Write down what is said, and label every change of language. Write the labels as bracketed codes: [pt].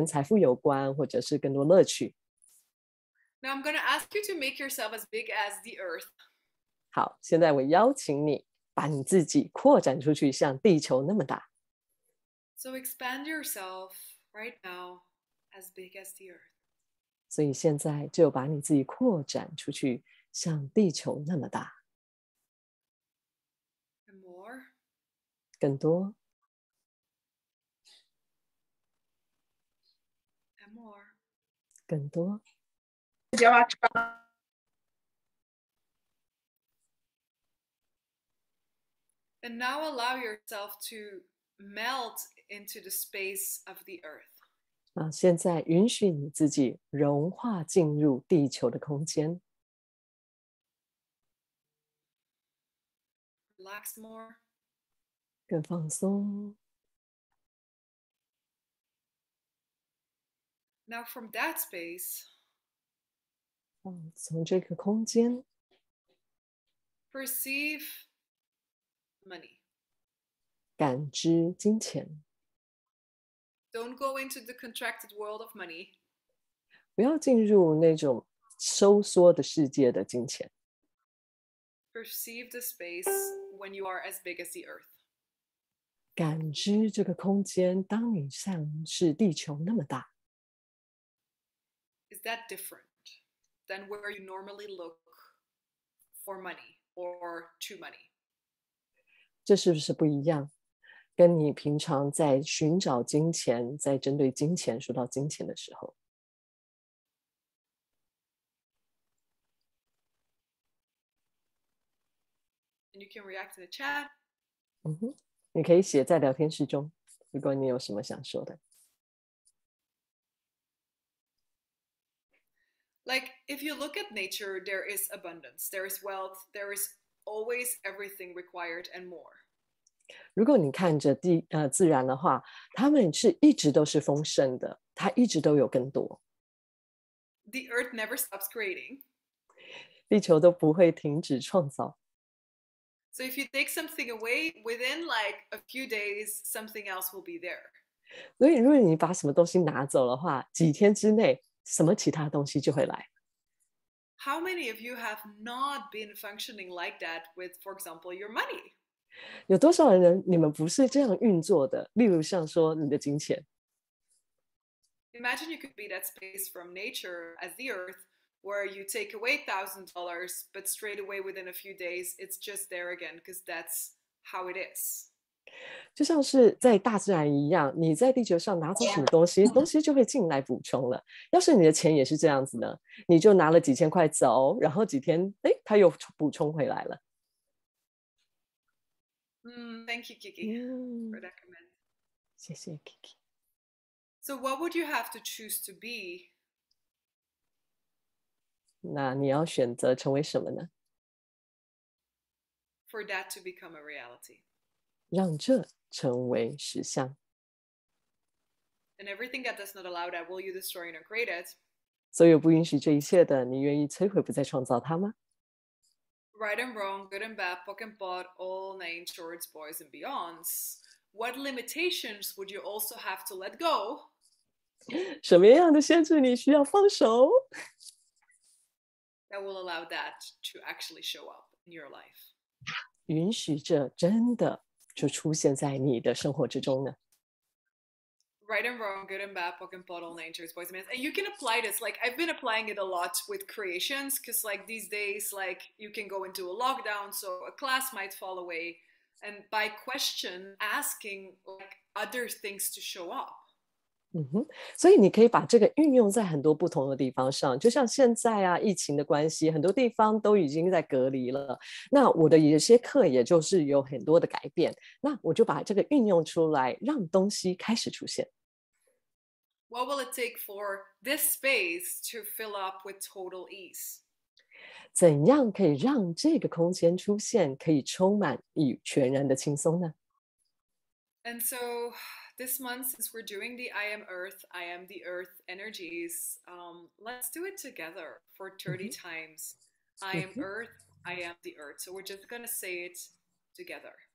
[zh] 我看到，我就问大家说，那你想要从这里得到什么？有些人就写到说，跟金钱有关，跟财富有关，或者是更多乐趣。 [en] Now I'm going to ask you to make yourself as big as the earth. [zh] 好，现在我邀请你把你自己扩展出去，像地球那么大。 [en] So expand yourself right now as big as the earth. [zh] 所以现在就把你自己扩展出去，像地球那么大。 [en] And more? [zh] 更多。 [en] And more? [zh] 更多。 [en] And now allow yourself to melt into the space of the earth. [zh] 现在允许你自己融化进入地球的空间。 [en] Relax more. [zh] 更放松。 [en] Now from that space, [zh] 从这个空间, [en] perceive money. [zh] 感知金钱. [en] Don't go into the contracted world of money. [zh] 不要进入那种收缩的世界的金钱. [en] Perceive the space when you are as big as the earth. [zh] 感知这个空间，当你像是地球那么大. [en] Is that different than where you normally look for money or to money? [zh] 这是不是不一样？跟你平常在寻找金钱，在针对金钱，说到金钱的时候 [en] and you can react in the chat. [zh] 你可以写在聊天室中，如果你有什么想说的。 [en] Like, if you look at nature, there is abundance, there is wealth, there is always everything required and more. [zh] 如果你看着地，自然的话，他们是一直都是丰盛的，它一直都有更多。 [en] The earth never stops creating. [zh] 地球都不会停止创造。 [en] So if you take something away, within like a few days, something else will be there. [zh] 所以如果你把什么东西拿走的话，几天之内什么其他东西就会来。 [en] How many of you have not been functioning like that with, for example, your money? [zh] 有多少人你们不是这样运作的？例如像说你的金钱。 [en] Imagine you could be that space from nature as the earth, where you take away $1,000, but straight away within a few days, it's just there again, because that's how it is. [zh] 就像是在大自然一样，你在地球上拿走什么东西，东西就会进来补充了。要是你的钱也是这样子呢，你就拿了几千块走，然后几天，哎，它又补充回来了。 [en] Thank you, Kiki, for that comment. [zh] 谢谢 Kiki. [en] So what would you have to choose to be? [zh] 那你要选择成为什么呢? [en] For that to become a reality. [zh] 让这成为实相。 [en] And everything that does not allow that, will you destroy and create it? [zh] 所有不允许这一切的，你愿意摧毁不再创造它吗？ [en] Right and wrong, good and bad, pock and pot, all nine shorts, boys and beyonds. What limitations would you also have to let go? [zh] 什么样的限制你需要放手? [en] That will allow that to actually show up in your life. [zh] 允许这真的就出现在你的生活之中呢? [en] Right and wrong, good and bad, pock and pot, all nine shorts, boys and beyonds. And you can apply this. Like, I've been applying it a lot with creations because, like, these days, like, you can go into a lockdown, so a class might fall away. And by question, asking, like, other things to show up. [zh] 嗯哼，所以你可以把这个运用在很多不同的地方上，就像现在啊，疫情的关系，很多地方都已经在隔离了。那我的有些课也就是有很多的改变，那我就把这个运用出来，让东西开始出现。 [en] What will it take for this space to fill up with total ease? [zh] 怎样可以让这个空间出现，可以充满与全然的轻松呢？ [en] And so... This month, since we're doing the I am Earth, I am the Earth energies, let's do it together for 30 times. I am Earth, I am the Earth. So we're just going to say it together.